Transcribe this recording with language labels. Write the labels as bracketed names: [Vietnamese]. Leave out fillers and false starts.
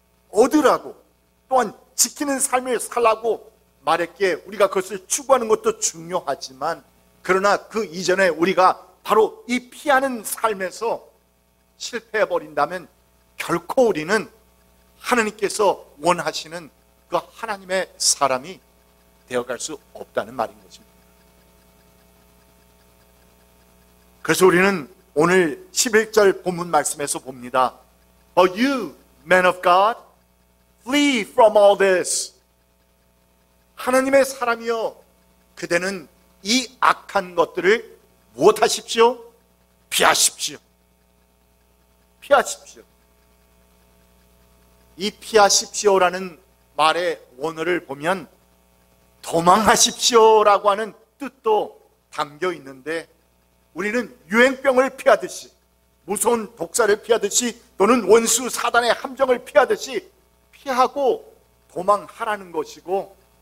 [Korean] 얻으라고, 또한 지키는 삶을 살라고 말했기에 우리가 그것을 추구하는 것도 중요하지만, 그러나 그 이전에 우리가 바로 이 피하는 삶에서 실패해버린다면 결코 우리는 하느님께서 원하시는 그 하나님의 사람이 되어갈 수 없다는 말인 것입니다. 그래서 우리는 오늘 11절 본문 말씀에서 봅니다. [English] But you, men of God, flee from all this. [Korean] 하나님의 사람이여, 그대는 이 악한 것들을 무엇하십시오? 피하십시오. 피하십시오. 이 피하십시오라는 말의 원어를 보면 도망하십시오라고 하는 뜻도 담겨 있는데, 우리는 유행병을 피하듯이, 무서운 독사를 피하듯이, 또는 원수 사단의 함정을 피하듯이 피하고 도망하라는 것이고,